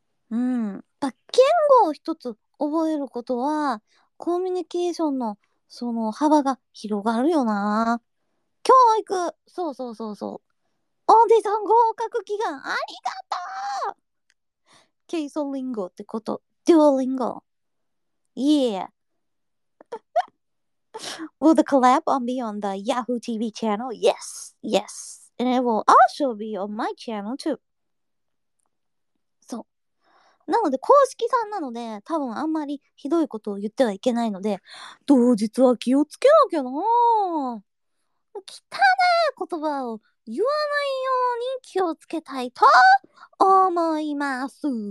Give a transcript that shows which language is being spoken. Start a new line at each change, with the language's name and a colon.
Japanese: やっぱ言語を一つ覚えることは、コミュニケーションの、その幅が広がるよな。教育、そう。オーディション合格祈願、ありがとう！ケイソリンゴってこと、デュオリンゴ。
English: Yeah. Will the collab on be on the Yahoo TV channel? Yes. And it will also be on my channel too.
Japanese: なので、公式さんなので、多分あんまりひどいことを言ってはいけないので、当日は気をつけなきゃなぁ。汚い言葉を言わないように気をつけたいと思います。